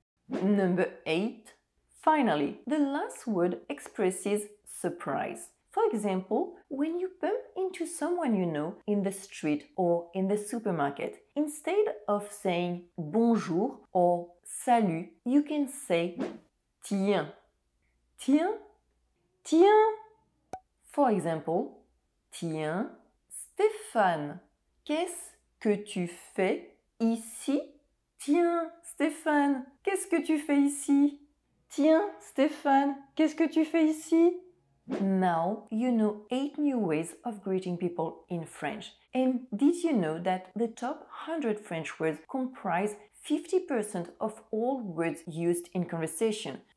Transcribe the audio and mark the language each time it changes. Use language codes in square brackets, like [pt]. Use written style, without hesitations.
[en] Number 8. Finally, the last word expresses surprise. For example, when you bump into someone you know in the street or in the supermarket, instead of saying bonjour or salut, you can say tiens. [fr] Tiens. Tiens. [en] For example, [fr] tiens, Stéphane, qu'est-ce que tu fais ici? Tiens, Stéphane, qu'est-ce que tu fais ici? Tiens, Stéphane, qu'est-ce que tu fais ici? [en] Now you know 8 new ways of greeting people in French. And did you know that the top 100 French words comprise 50% of all words used in conversation?